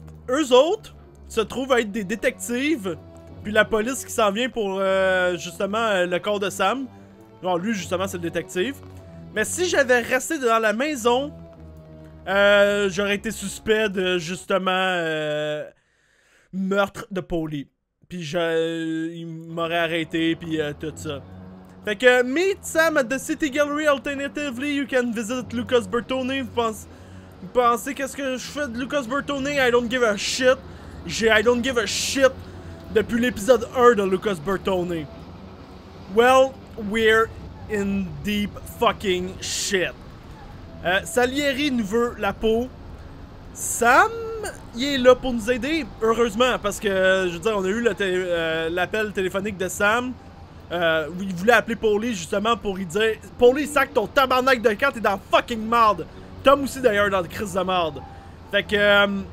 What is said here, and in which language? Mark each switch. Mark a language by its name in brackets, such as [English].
[French] Eux autres se trouvent à être des détectives. Puis la police qui s'en vient pour justement le corps de Sam. Bon, lui, justement, c'est le détective. Mais si j'avais resté dans la maison, j'aurais été suspect de justement. Meurtre de Polly. Puis il m'aurait arrêté, puis tout ça. Fait que, [English] meet Sam at the City Gallery. Alternatively, you can visit Lucas Bertone. [French] Vous pensez qu'est-ce que je fais de Lucas Bertone? [English] I don't give a shit. I don't give a shit [French] depuis l'épisode 1 de [English] Lucas Bertone. Well, we're in deep fucking shit. [French] Salieri nous veut la peau. Sam, il est là pour nous aider. Heureusement, parce que, je veux dire, on a eu l'appel téléphonique de Sam. Il voulait appeler Polly justement pour lui dire « Polly, sac ton tabarnak de camp, t'es dans fucking marde! » Tom aussi d'ailleurs dans le crise de marde. Fait que...